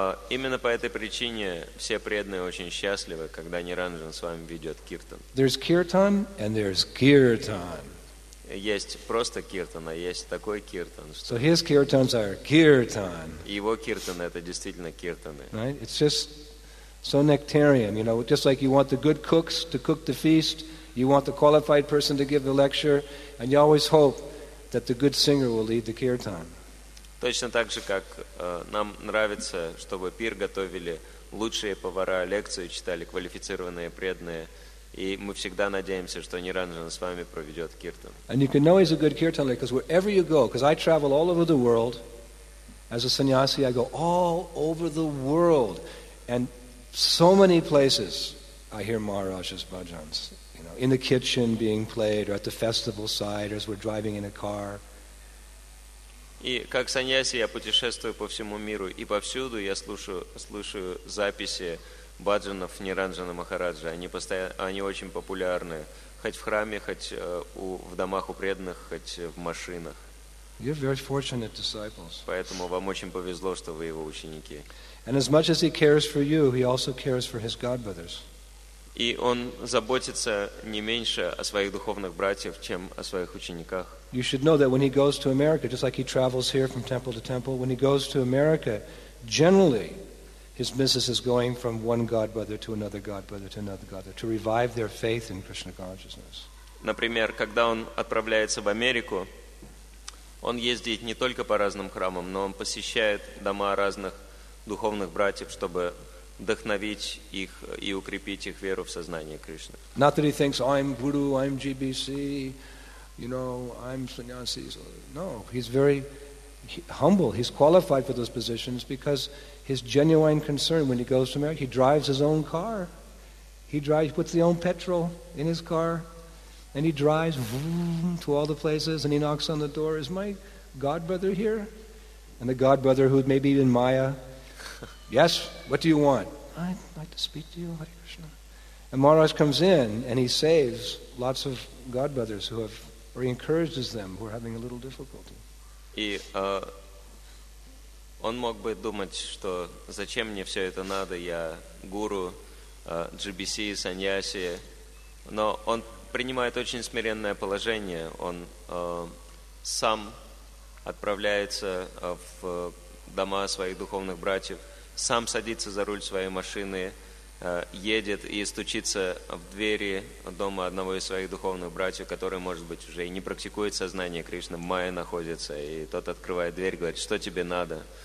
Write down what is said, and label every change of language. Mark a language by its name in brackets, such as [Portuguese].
[Russian] Именно по этой причине все преданные очень счастливы, когда Ниранджан с вами ведет киртан. [English] There's kirtan and there's kirtan. [Russian] есть просто киртан, а есть такой киртан. [English] So his kirtans are kirtan. [Russian] Его киртаны это действительно киртаны. [English] Right? It's just so nectarian, you know, just like you want the good cooks to cook the feast, you want the qualified person to give the lecture, and you always hope that the good singer will lead the kirtan. [Russian] Точно так же, как нам нравится, чтобы пир готовили лучшие повара, лекцию читали квалифицированные преданные, и мы всегда надеемся, что Ниранджан с вами проведет киртан. [English] And you can know he's a good kirtan leader because wherever you go, because I travel all over the world as a sannyasi, I go all over the world, and so many places I hear Maharaja's bhajans. You know, in the kitchen being played, or at the festival side, or as we're driving in a car. [Russian] И как саньяси я путешествую по всему миру, и повсюду я слушаю записи баджанов Ниранджана Махараджа. Они очень популярны, хоть в храме, хоть в домах у преданных, хоть в машинах. [English] You're very fortunate disciples. [Russian] Поэтому вам очень повезло, что вы его ученики. [English] And as much as he cares for you, he also cares for his godbrothers. [Russian] И он заботится не меньше о своих духовных братьях, чем о своих учениках. [English] You should know that when he goes to America, just like he travels here from temple to temple, when he goes to America, generally, his missus is going from one godbrother to another godbrother to another godbrother to revive their faith in Krishna consciousness. [Russian] Например, когда он отправляется в Америку, он ездит не только по разным храмам, но он посещает дома разных духовных братьев, чтобы вдохновить их и укрепить их веру в сознание Кришны. [English] Not that he thinks, I'm Guru, I'm GBC, you know, I'm Sannyasi. No, he's very humble. He's qualified for those positions because his genuine concern when he goes to America, he drives his own car. He puts his own petrol in his car and he drives vroom, to all the places and he knocks on the door. Is my godbrother here? And the godbrother who may be in Maya. Yes, what do you want? I'd like to speak to you, Hare Krishna. And Maharaj comes in and he saves lots of godbrothers who have, or he encourages them who are having a little difficulty. [Russian] И он мог бы думать, что зачем мне все это надо, я гуру, GBC, саньяси. Но он принимает очень смиренное положение. Он сам отправляется в дома своих духовных братьев, сам садится за руль своей машины, едет и стучится в двери дома одного из своих духовных братьев, который, может быть, уже и не практикует сознание Кришны, в Майе находится, и тот открывает дверь, говорит, что тебе надо?